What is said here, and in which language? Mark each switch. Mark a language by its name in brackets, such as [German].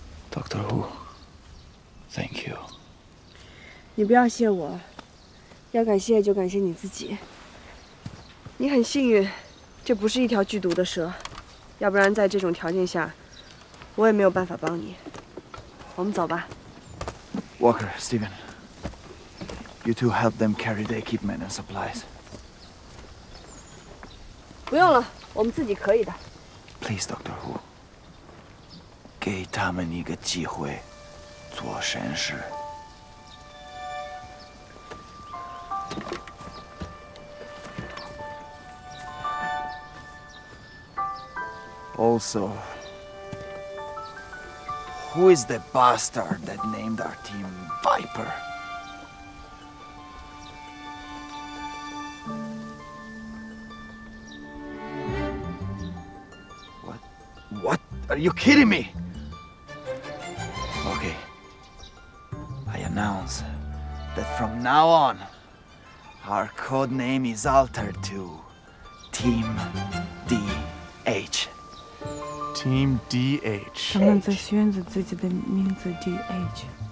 [English] Doctor Who, thank you。 [Chinese] 你不要谢我，要感谢就感谢你自己。你很幸运。这不是一条剧毒的蛇，要不然在这种条件下，我也没有办法帮你。我们走吧。 [English] Walker, Steven, you two help them carry the equipment and supplies. [Chinese] 不用了，我们自己可以的。 [English] Please, [Chinese] Doctor Who, 给他们一个机会，做神事。 [English] Also, who is the bastard that named our team Viper? What? What? Are you kidding me? Okay, I announce that from now on, our code name is altered to Team DH. Team DH. [Chinese] 他们在宣布自己的名字 DH.